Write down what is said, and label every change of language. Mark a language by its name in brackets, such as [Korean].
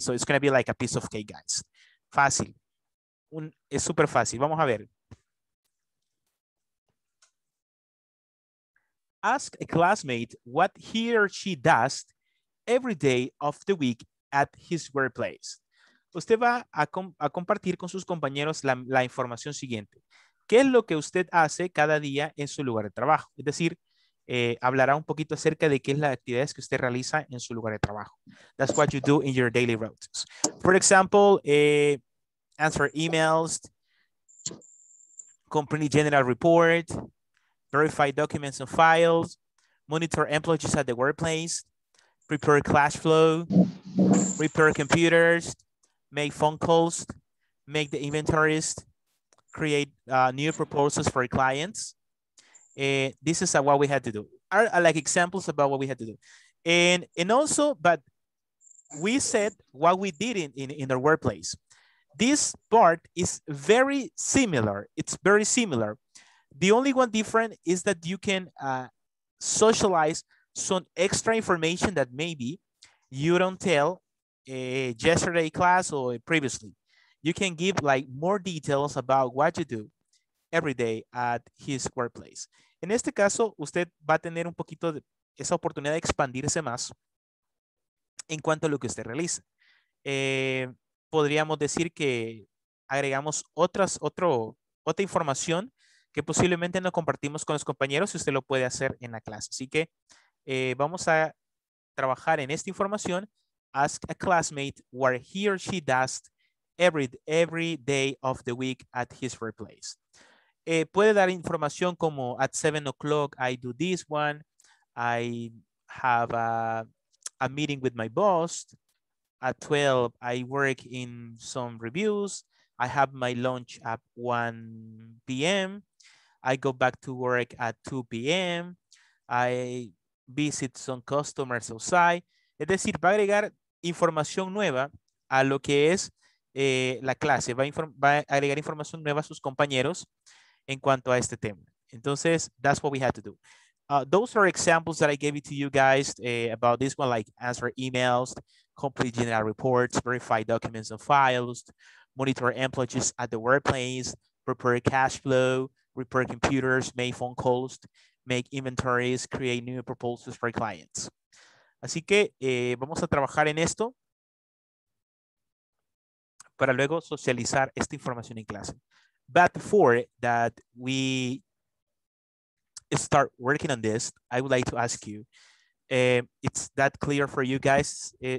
[English] So it's going to be like a piece of cake, guys. [Spanish] Fácil. Es súper fácil. Vamos a ver. [English] Ask a classmate what he or she does every day of the week at his workplace. [Spanish] Usted va a compartir con sus compañeros la información siguiente. ¿Qué es lo que usted hace cada día en su lugar de trabajo? Es decir, hablará un poquito acerca de qué es las actividades que usted realiza en su lugar de trabajo. [English] That's what you do in your daily routines. For example, answer emails, company general report, verify documents and files, monitor employees at the workplace, prepare cash flow, repair computers, make phone calls, make the inventories, create new proposals for clients. This is what we had to do. Are like examples about what we had to do. And also, but we said what we did in the workplace. This part is very similar. It's very similar. The only one different is that you can socialize some extra information that maybe you don't tell a yesterday class or previously. You can give like more details about what you do every day at his workplace. [Spanish] En este caso, usted va a tener un poquito de esa oportunidad de expandirse más en cuanto a lo que usted realiza. Podríamos decir que agregamos otra información que posiblemente no compartimos con los compañeros y usted lo puede hacer en la clase. Así que vamos a trabajar en esta información. [English] Ask a classmate what he or she does every day of the week at his workplace. [Spanish] Puede dar información como [English] at 7 o'clock I do this one. I have a meeting with my boss. At 12 I work in some reviews. I have my lunch at 1 p.m. I go back to work at 2 p.m. I visit some customers outside. [Spanish] Es decir, va a agregar información nueva a lo que es la clase. Va a agregar información nueva a sus compañeros en cuanto a este tema. Entonces, [English] that's what we had to do. Those are examples that I gave it to you guys about this one, like answer emails, complete general reports, verify documents and files, monitor employees at the workplace, prepare cash flow, repair computers, make phone calls, make inventories, create new proposals for clients. [Spanish] Así que vamos a trabajar en esto para luego socializar esta información en clase. [English] But before that we start working on this, I would like to ask you, it's that clear for you guys?